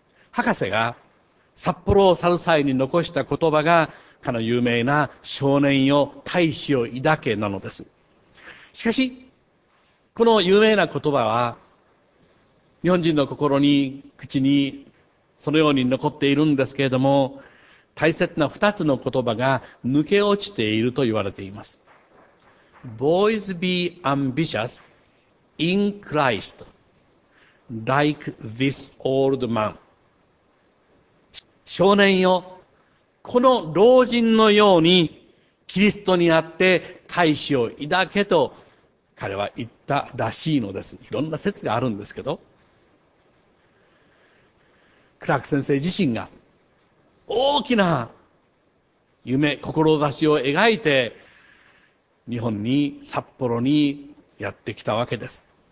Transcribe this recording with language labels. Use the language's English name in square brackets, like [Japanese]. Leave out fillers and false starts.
[Japanese] 博士が札幌を去る際に残した言葉が、かの有名な少年よ、大志を抱けなのです。しかし、この有名な言葉は、日本人の心に、口に、そのように残っているんですけれども、大切な二つの言葉が抜け落ちていると言われています。 [English] Boys be ambitious in Christ, like this old man. [Japanese] 少年よ、この老人のようにキリストにあって大志を抱けと彼は言ったらしいのです。いろんな説があるんですけど、クラーク先生自身が大きな夢、志を描いて日本に札幌にやってきたわけです。